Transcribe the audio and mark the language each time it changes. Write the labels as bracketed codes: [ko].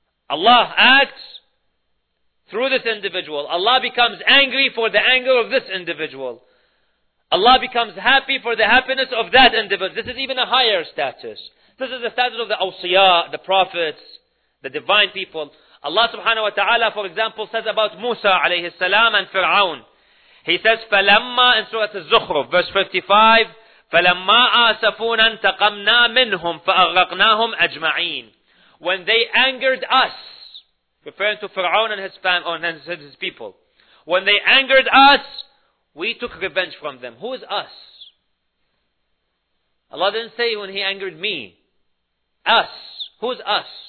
[en] Allah acts through this individual. Allah becomes angry for the anger of this individual. Allah becomes happy for the happiness of that individual. This is even a higher status. This is the status of the awsiya, the prophets, the divine people. Allah subhanahu wa ta'ala, for example, says about Musa alayhi salam and Fir'aun. He says, [ar] فَلَمَّا [en] in Surah Al-Zukhruf, verse 55, [ar] فَلَمَّا آسَفُونَ انْتَقَمْنَا مِنْهُمْ فَأَغْرَقْنَاهُمْ أَجْمَعِينَ. [en] When they angered us, referring to Fir'aun and his family, and his people, when they angered us, we took revenge from them. Who is us? Allah didn't say when he angered me. Us. Who is us?